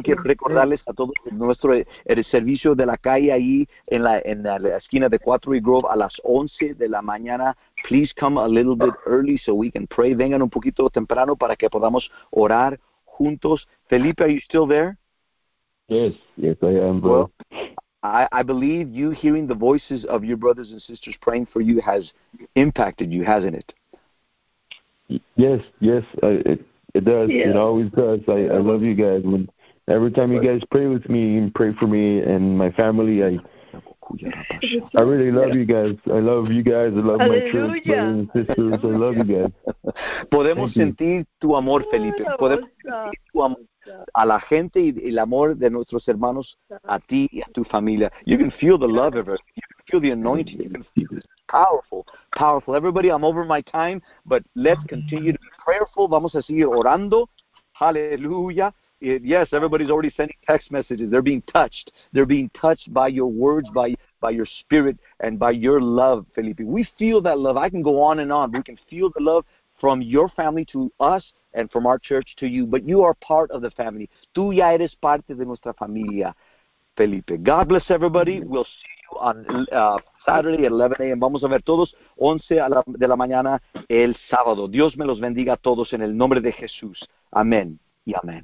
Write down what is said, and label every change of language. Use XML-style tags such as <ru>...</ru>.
<es>Quiero recordarles a todos nuestro el servicio de la calle ahí en la esquina de 4 y Grove a las 11 de la mañana.</es> <en>Please come a little bit early so we can pray.</en> <es>Vengan un poquito temprano para que podamos orar juntos.</es> <en>Felipe, are you still there? Yes, I am, bro. Well, I believe you hearing the voices of your brothers and sisters praying for you has impacted you, hasn't it? Yes. It does. Yeah. It always does. I love you guys. When every time you guys pray with me and pray for me and my family, I really love you guys. I love you guys. I love my church, my sisters. I love you guys.</en> <es>Podemos sentir tu amor, Felipe. Podemos sentir tu amor a la gente y el amor de nuestros hermanos a ti y a tu familia.</es> <en>You can feel the love of us. You can feel the anointing. You can feel it. Powerful, powerful. Everybody, I'm over my time, but let's continue to be prayerful.</en> <es>Vamos a seguir orando.</es> <en>Hallelujah. Yes, everybody's already sending text messages. They're being touched. They're being touched by your words, by your spirit, and by your love, Felipe. We feel that love. I can go on and on. We can feel the love from your family to us and from our church to you, but you are part of the family.</en> <es>Tú ya eres parte de nuestra familia, Felipe.</es> <en>God bless everybody. We'll see you on Saturday at 11 a.m.</en> <es>Vamos a ver todos 11 de la mañana el sábado. Dios me los bendiga a todos en el nombre de Jesús. Amén y amén.</es>